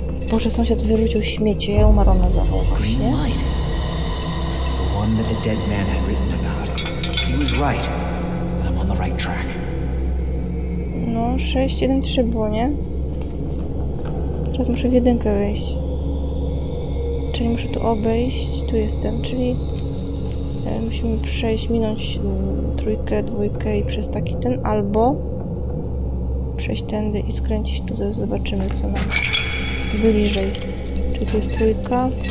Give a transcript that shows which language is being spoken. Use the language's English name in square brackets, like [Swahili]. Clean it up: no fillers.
[Polish] Boże, sąsiad wyrzucił śmiecie, ja umarłam na zawołkach, nie? [English] The one that the dead man had written about. He was right. That I'm on the right track. [Polish] No, 6, 1, 3 było, nie? Teraz muszę w jedynkę wejść. Czyli muszę tu obejść. Tu jestem, czyli... musimy przejść, minąć trójkę, dwójkę i przez taki ten, albo... przejść tędy i skręcić tu, zobaczymy co nam bliżej. Czyli tu jest trójka.